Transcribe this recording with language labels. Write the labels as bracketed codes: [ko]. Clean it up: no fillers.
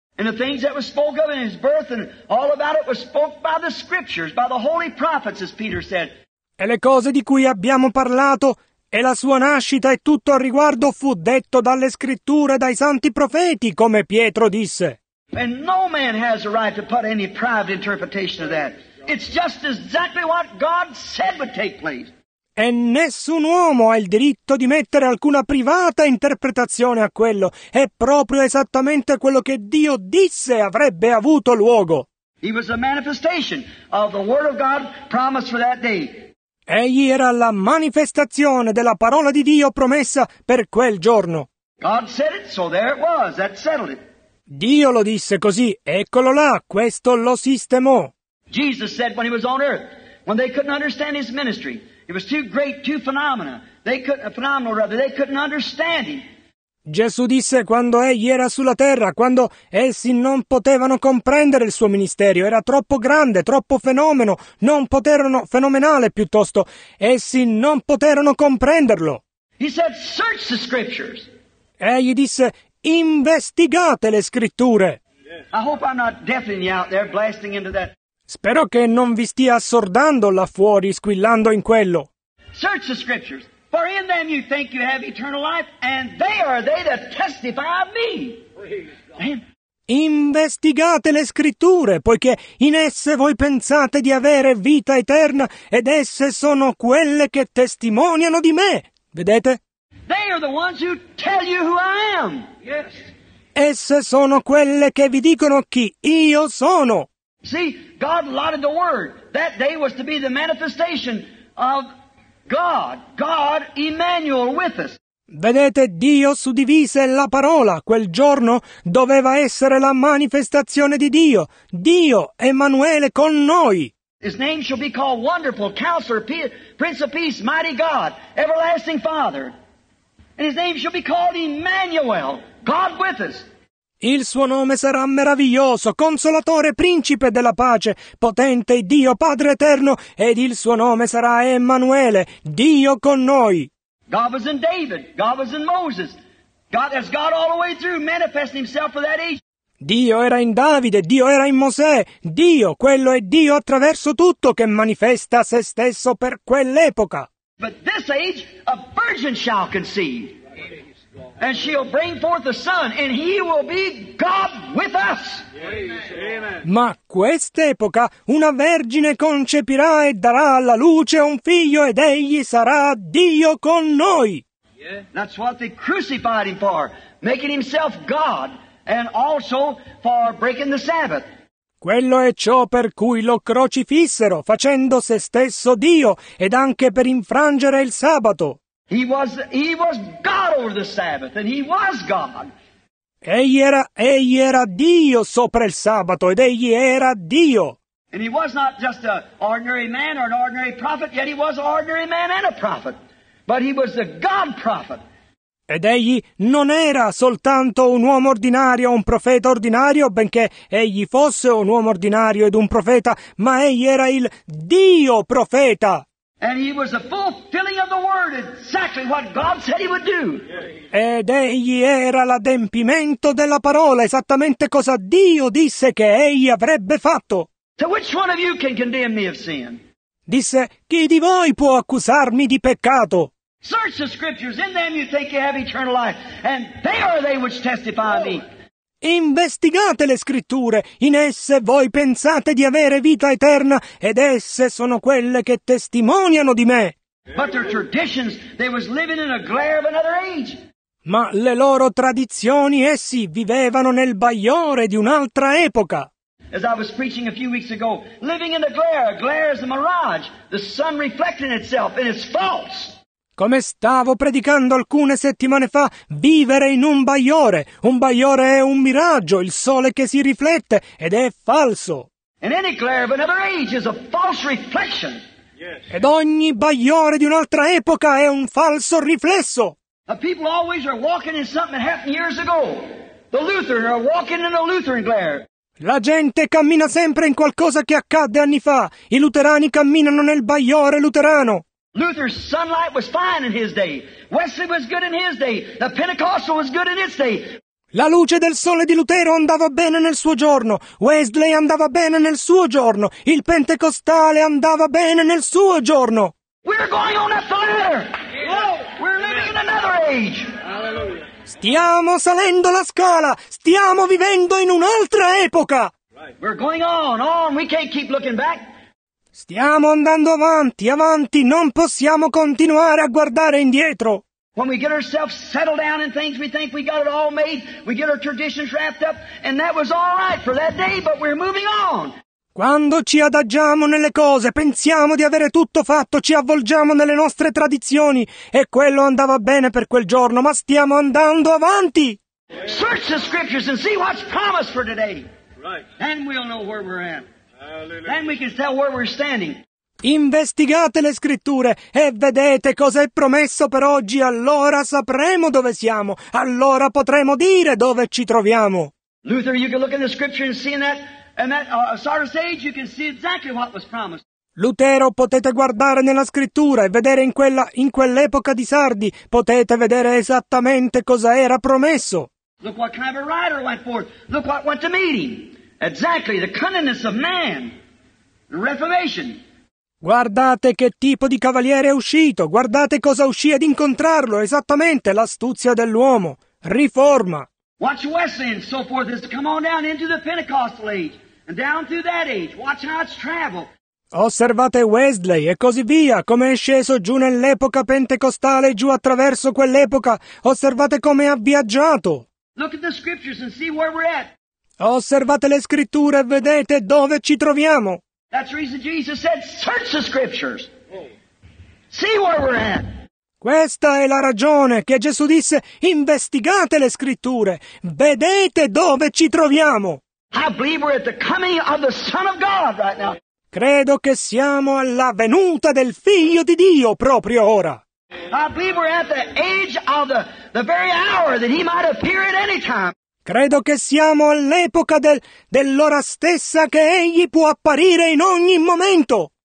[en] And the things that were spoken of in his birth and all about it were spoken by the scriptures, by the holy prophets, as Peter said. [it] E le cose di cui abbiamo parlato e la sua nascita e tutto al riguardo fu detto dalle scritture e dai santi profeti, come Pietro disse. [en] And no man has a right to put any private interpretation of that. It's just exactly what God said would take place. [it] E nessun uomo ha il diritto di mettere alcuna privata interpretazione a quello. È proprio esattamente quello che Dio disse avrebbe avuto luogo. [en] He was a manifestation of the word of God promised for that day. [it] Egli era la manifestazione della parola di Dio promessa per quel giorno. [en] God said it, so there it was. That settled it. [it] Dio lo disse così, eccolo là, questo lo sistemò. [en] Jesus said when he was on earth, when they couldn't understand his ministry, it was too great, too phenomenal. They couldn't understand him. [it] Gesù disse quando egli era sulla terra, quando essi non potevano comprendere il suo ministero, era troppo grande, troppo fenomeno, non poterono fenomenale piuttosto, essi non poterono comprenderlo. [en] He said, search the scriptures. [it] Egli disse, investigate le scritture. [en] I hope I'm not deafening you out there, blasting into that. [it] Spero che non vi stia assordando là fuori, squillando in quello. [en] Search the scriptures, for in them you think you have eternal life, and they are they that testify of me. [it] Investigate le scritture, poiché in esse voi pensate di avere vita eterna, ed esse sono quelle che testimoniano di me. Vedete? [en] They are the ones who tell you who I am. Yes. [it] Esse sono quelle che vi dicono chi io sono. [en] See, God allotted the word. That day was to be the manifestation of God. God Emmanuel with us. [it] Vedete, Dio suddivise la parola. Quel giorno doveva essere la manifestazione di Dio. Dio Emanuele con noi. [en] His name shall be called Wonderful, Counselor, Prince of Peace, Mighty God, Everlasting Father. And his name shall be called Emmanuel, God with us. [it] Il suo nome sarà meraviglioso, consolatore, principe della pace, potente Dio, Padre eterno, ed il suo nome sarà Emmanuele, Dio con noi. [en] God was in David, God was in Moses. God has God all the way through manifesting himself for that age. [it] Dio era in Davide, Dio era in Mosè, Dio, quello è Dio attraverso tutto che manifesta se stesso per quell'epoca. [en] But this age a virgin shall conceive, and she'll bring forth a son, and he will be God with us. Amen. [it] Ma quest'epoca una vergine concepirà e darà alla luce un figlio, ed egli sarà Dio con noi. [en] Yeah. That's what they crucified him for, making himself God, and also for breaking the Sabbath. [it] Quello è ciò per cui lo crocifissero, facendo se stesso Dio, ed anche per infrangere il sabato. [en] He was God over the Sabbath, and he was God. [it] Egli era Dio sopra il sabato, ed egli era Dio. [en] And he was not just an ordinary man or an ordinary prophet, yet he was an ordinary man and a prophet. But he was the God prophet. [it] Ed egli non era soltanto un uomo ordinario, un profeta ordinario, benché egli fosse un uomo ordinario ed un profeta, ma egli era il Dio profeta. [en] And he was the fulfilling of the word, exactly what God said he would do. [it] Ed egli era l'adempimento della parola, esattamente cosa Dio disse che egli avrebbe fatto. [en] So which one of you can condemn me of sin? [it] Disse, chi di voi può accusarmi di peccato? [en] Search the scriptures, in them you think you have eternal life, and they are they which testify of me. [it] Investigate le scritture, in esse voi pensate di avere vita eterna, ed esse sono quelle che testimoniano di me. [en] But their traditions, they was living in a glare of another age. [it] Ma le loro tradizioni, essi vivevano nel bagliore di un'altra epoca. [en] As I was preaching a few weeks ago, living in a glare is a mirage, the sun reflecting itself, and it's false. [it] Come stavo predicando alcune settimane fa, vivere in un bagliore è un miraggio, il sole che si riflette ed è falso. [en] And any glare of another age is a false reflection. Yes. [it] Ed ogni bagliore di un'altra epoca è un falso riflesso. [en] The people always are walking in something that happened years ago. The Lutheran are walking in a Lutheran glare. [it] La gente cammina sempre in qualcosa che accadde anni fa. I luterani camminano nel bagliore luterano. [en] Luther's sunlight was fine in his day. Wesley was good in his day. The Pentecostal was good in its day. [it] La luce del sole di Lutero andava bene nel suo giorno. Wesley andava bene nel suo giorno. Il pentecostale andava bene nel suo giorno. [en] We're going on up the ladder. We're living in another age. Hallelujah. [it] Stiamo salendo la scala. Stiamo vivendo in un'altra epoca. [en] Right. We're going on. We can't keep looking back. [it] Stiamo andando avanti, avanti, non possiamo continuare a guardare indietro. [en] When we get ourselves settled down in things, we think we got it all made, we get our traditions wrapped up, and that was all right for that day, but we're moving on. [it] Quando ci adagiamo nelle cose, pensiamo di avere tutto fatto, ci avvolgiamo nelle nostre tradizioni, e quello andava bene per quel giorno, ma stiamo andando avanti. [en] Search the scriptures and see what's promised for today. Right. And we'll know where we're at. And we can tell where we're standing. [it] Investigate le scritture e vedete cosa è promesso per oggi, allora sapremo dove siamo, allora potremo dire dove ci troviamo. [en] Luther, you can look in the scripture and see in that Sardis age, you can see exactly what was promised. [it] Lutero, potete guardare nella scrittura e vedere in quell'epoca di Sardi, potete vedere esattamente cosa era promesso. [en] Look what kind of a rider went forth. Look what went to meeting. Exactly, the cunningness of man. The Reformation. [it] Guardate che tipo di cavaliere è uscito. Guardate cosa uscì ad incontrarlo. Esattamente, l'astuzia dell'uomo. Riforma. [en] Watch Wesley and so forth as to come on down into the Pentecostal age. And down through that age. Watch how it's traveled. [it] Osservate Wesley e così via, come è sceso giù nell'epoca pentecostale, giù attraverso quell'epoca. Osservate come ha viaggiato. [en] Look at the scriptures and see where we're at. [it] Osservate le scritture e vedete dove ci troviamo. [en] That's the reason Jesus said, search the scriptures. See where we're at. [it] Questa è la ragione che Gesù disse, investigate le scritture, vedete dove ci troviamo. [en] I believe we're at the coming of the Son of God right now. [it] Credo che siamo alla venuta del Figlio di Dio proprio ora. [en] I believe we're at the age of the very hour that he might appear at any time. [it] Credo che siamo all'epoca dell'ora stessa che egli può apparire in ogni momento.